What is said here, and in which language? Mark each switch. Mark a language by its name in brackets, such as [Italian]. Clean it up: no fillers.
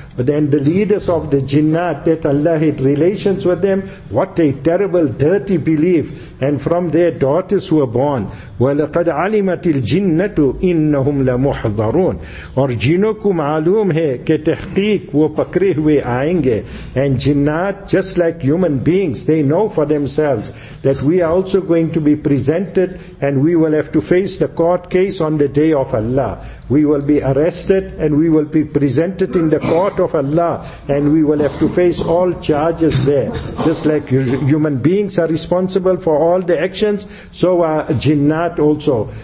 [English] But then the leaders of the jinnat, that Allah had relations with them. What a terrible, dirty belief. And from their daughters were born. [Arabic] وَلَقَدْ عَلِمَتِ الْجِنَّةُ إِنَّهُمْ لَمُحْضَرُونَ. [Urdu] اور جنوں کو معلوم ہے کہ تحقیق وہ پکرے ہوئے آئیں گے. [English] And jinnat, just like human beings, they know know for themselves that we are also going to be presented and we will have to face the court case on the day of Allah. We will be arrested and we will be presented in the court of Allah and we will have to face all charges there. Just like human beings are responsible for all the actions, so are jinnat also.